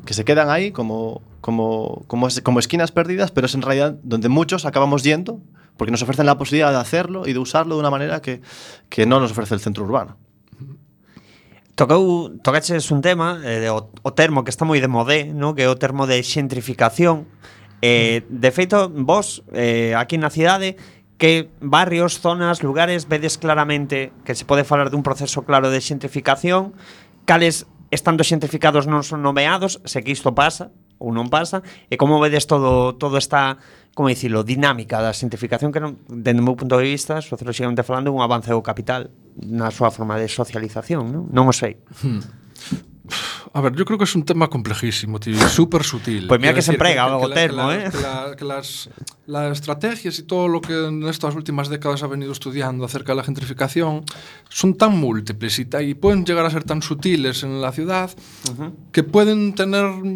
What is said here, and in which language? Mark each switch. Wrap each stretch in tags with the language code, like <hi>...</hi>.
<es>Que se quedan ahí como esquinas perdidas, pero es en realidad donde muchos acabamos yendo porque nos ofrecen la posibilidad de hacerlo y de usarlo de una manera que no nos ofrece el centro urbano.</es> <gl>Tocaches un tema, o termo que está moi de modé, ¿no? Que é o termo de xentrificación. De feito, vos, aquí na cidade, que barrios, zonas, lugares, vedes claramente que se pode falar dun proceso claro de xentrificación, cales estando xentrificados non son nomeados, se que isto pasa ou non pasa, e como vedes todo esta, como dicilo, dinámica da xentrificación, que, dende o meu punto de vista, sociolóxicamente falando, un avance do capital na súa forma de socialización, ¿no? Non o sei.</gl> <es>A ver, yo creo que es un tema complejísimo, tío, súper sutil.</es> <gl>Pues mira que se emprega algo termo, ¿eh?</gl> <es>Que las estrategias y todo lo que en estas últimas décadas ha venido estudiando acerca de la gentrificación son tan múltiples y pueden llegar a ser tan sutiles en la ciudad que pueden tener</es>